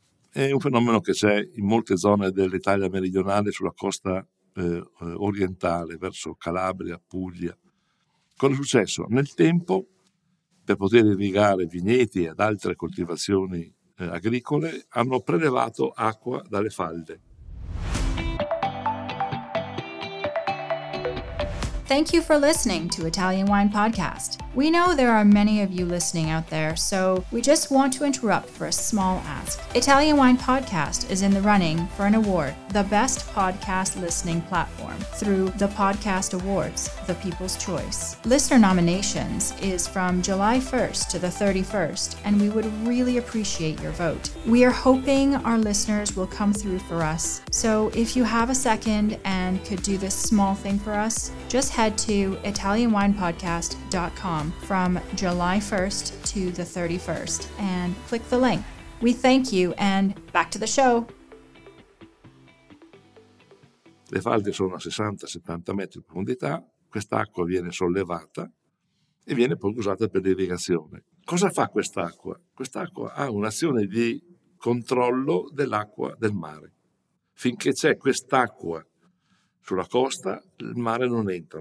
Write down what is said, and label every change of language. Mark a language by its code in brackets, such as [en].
[it] È un fenomeno che c'è in molte zone dell'Italia meridionale, sulla costa orientale, verso Calabria, Puglia. Cosa è successo? Nel tempo, per poter irrigare vigneti ed altre coltivazioni agricole, hanno prelevato acqua dalle falde. [en] Thank you for listening to Italian Wine Podcast. We know there are many of you listening out there, so we just want to interrupt for a small ask. Italian Wine Podcast is in the running for an award, the Best Podcast Listening Platform, through the Podcast Awards, the People's Choice. Listener nominations is from July 1st to the 31st, and we would really appreciate your vote. We are hoping our listeners will come through for us. So if you have a second and could do this small thing for us, just head to italianwinepodcast.com from July 1st to the 31st and click the link. We thank you and back to the show. [it] Le falde sono a 60-70 metri di profondità. Quest'acqua viene sollevata e viene poi usata per l'irrigazione. Cosa fa quest'acqua? Quest'acqua ha un'azione di controllo dell'acqua del mare. Finché c'è quest'acqua sulla costa, il mare non entra.